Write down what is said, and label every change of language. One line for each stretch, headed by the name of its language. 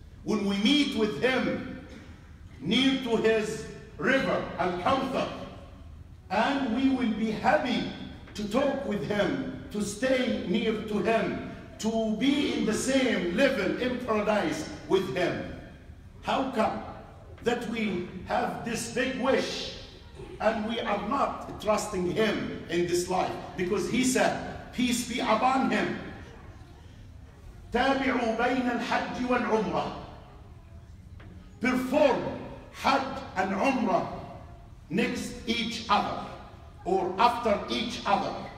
English: When we meet with him near to his river, Al-Kawthar, and we will be happy to talk with him, to stay near to him, to be in the same level in paradise with him. How come that we have this big wish And we are not trusting him in this life, because he said, peace be upon him.
Arabic: تابعوا بين الحج والعمرة.
English: Perform Hajj and Umrah next each other or after each other.